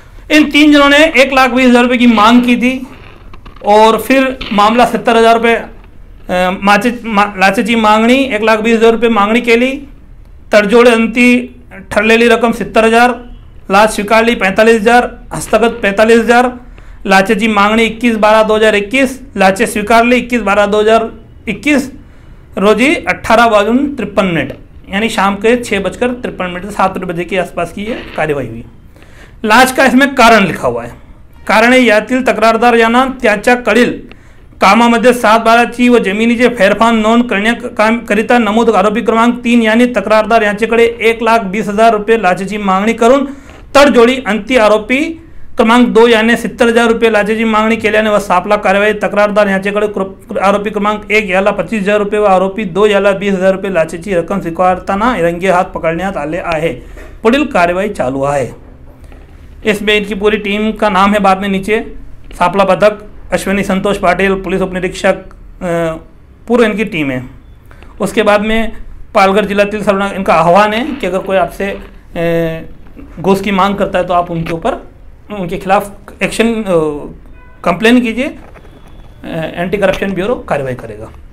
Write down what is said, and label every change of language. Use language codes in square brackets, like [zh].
[hi] इन 3 जनों ने 1,20,000 रुपये की मांग की थी और फिर मामला 70,000 रुपये लाचे की मांगनी, 1,20,000 रुपये मांगनी के लिए [mr] तड़जोड़े अंती ठरलेली रकम [hi] 70,000, लाच स्वीकार ली 45,000, हस्तगत 45,000, लाचे की मांगनी 21/12/2021, लाचे स्वीकार ली 21/12/2021 रोजी 18:53 यानी शाम के 6:53 7 बजे के आसपास की ये कार्यवाही हुई। लाच का इसमें कारण लिखा हुआ है, कारण है [mr] यातील तक्रारदार याना त्याचा कड़ील कामामध्ये 7/12 व जमिनीचे फेरफार नोंद करण्याकरिता नमूद आरोपी क्रमांक 3 यानी तक्रारदार यांच्याकडे 1,20,000 रुपये लाचेची मागणी करून तडजोडी अंती आरोपी क्रमांक 2 याने 70,000 रुपये लाचेची मागणी केल्याने व सापला कारवाई, तक्रारदार यांच्याकडे आरोपी क्रमांक 1 याला 25,000 रुपये व आरोपी 2 याला 20,000 रुपये लाचेची रक्कम स्वीकारताना रंगे हात पकडण्यात आले आहे। पुढील कारवाई चालू आहे। [hi] इसमें इनकी पूरी टीम का नाम है बाद में नीचे, सापला पदक अश्विनी संतोष पाटिल, पुलिस उप निरीक्षक, पूरे इनकी टीम है। उसके बाद में पालघर जिला तिल सरना इनका आह्वान है कि अगर कोई आपसे घूस की मांग करता है तो आप उनके ऊपर, उनके खिलाफ एक्शन कंप्लेन कीजिए, एंटी करप्शन ब्यूरो कार्रवाई करेगा।